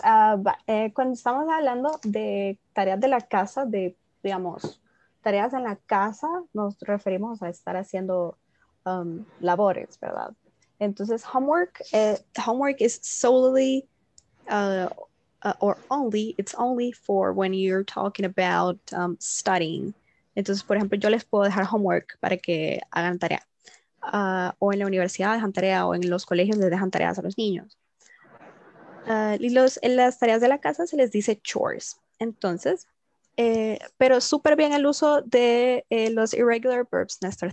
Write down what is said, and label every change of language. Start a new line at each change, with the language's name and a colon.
Spanish: Cuando estamos hablando de tareas de la casa, de digamos. Tareas en la casa, nos referimos a estar haciendo labores, ¿verdad?
English: Entonces, homework is solely it's only for when you're talking about studying.
Spanish: Entonces, por ejemplo, yo les puedo dejar homework para que hagan tarea. O en la universidad dejan tarea, o en los colegios les dejan tareas a los niños. En las tareas de la casa se les dice chores. Entonces, pero súper bien el uso de los irregular verbs, Néstor.